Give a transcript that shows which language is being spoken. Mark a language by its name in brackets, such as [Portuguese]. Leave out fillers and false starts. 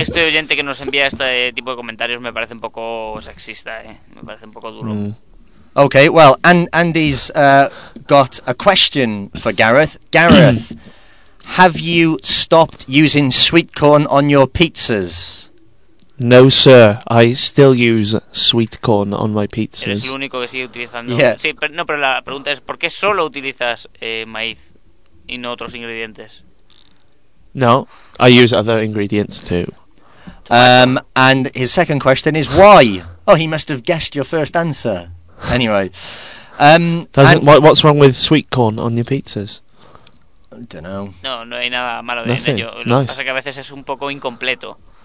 [Spanish] Este oyente que nos envía este tipo de comentarios me parece un poco sexista, Me parece un poco duro. [English] Okay, well, Andy's got a question for Gareth. Gareth, have you stopped using sweet corn on your pizzas? No, sir. I still use sweet corn on my pizzas. [Spanish] Eres el único que sigue utilizando. [English] Yeah. [Spanish] Sí, pero no. Pero la pregunta es por qué solo utilizas maíz y no otros ingredientes. [English] No, I use other ingredients too. And his second question is why? Oh, he must have guessed your first answer. Anyway, What's wrong with sweet corn on your pizzas? I don't know. [Spanish] No, no hay nada malo de [English] nothing. Ello. Nice. [Spanish] Lo que pasa que a veces es un poco incompleto.